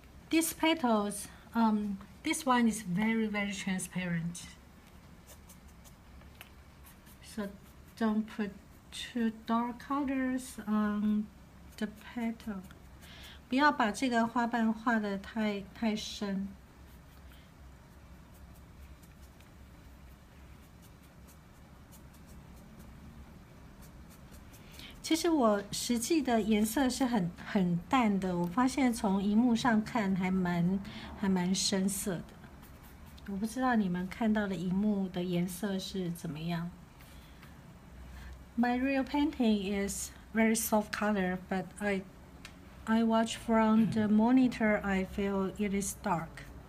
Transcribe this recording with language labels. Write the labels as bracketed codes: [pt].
[en] These petals, this one is very, very transparent. So don't put too dark colors on the petal. [zh] 不要把这个花瓣画得太深。其实我实际的颜色是很淡的，我发现从荧幕上看还蛮深色的。我不知道你们看到的荧幕的颜色是怎么样。 [en] My real painting is very soft color, but I watch from the monitor, I feel it is dark.